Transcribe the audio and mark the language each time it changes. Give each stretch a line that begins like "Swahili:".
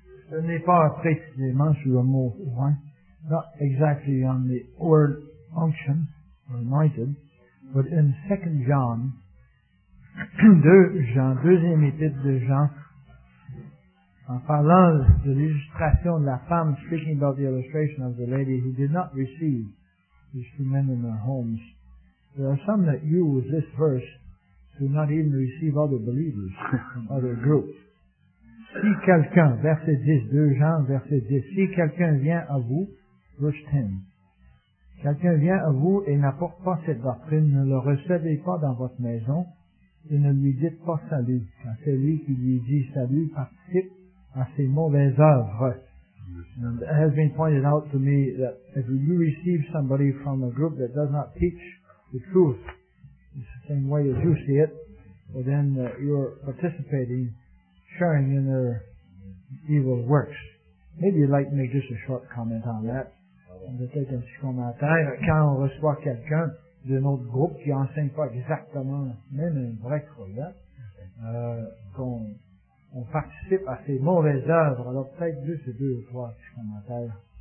French: Ce n'est pas précisément sur le mot loin.
English: Not exactly on the word unction, or anointed, but in 2 John,
French: 2e épître de Jean,
English: en parlant de l'illustration de la femme, speaking about the illustration of the lady who did not receive these two men in their homes, there are some that use this verse to not even receive other believers from other groups.
French: Si quelqu'un, verset 10, 2 Jean, verset 10, si quelqu'un vient à vous,
English: verse 10,
French: quelqu'un vient à vous et n'apporte pas cette doctrine, ne le recevez pas dans votre maison et ne lui dites pas salut, car celui qui lui dit salut participe à ses mauvaises œuvres.
English: And it has been pointed out to me that if you receive somebody from a group that does not teach the truth, it's the same way as you see it, but then you're participating, sharing in their evil works. Maybe you'd like to make just a short comment on that.
French: On peut être un petit commentaire. Quand on reçoit quelqu'un d'un autre groupe qui enseigne pas exactement, même un vrai croyant, qu'on participe à ces mauvaises œuvres, alors peut-être juste deux ou trois petits commentaires.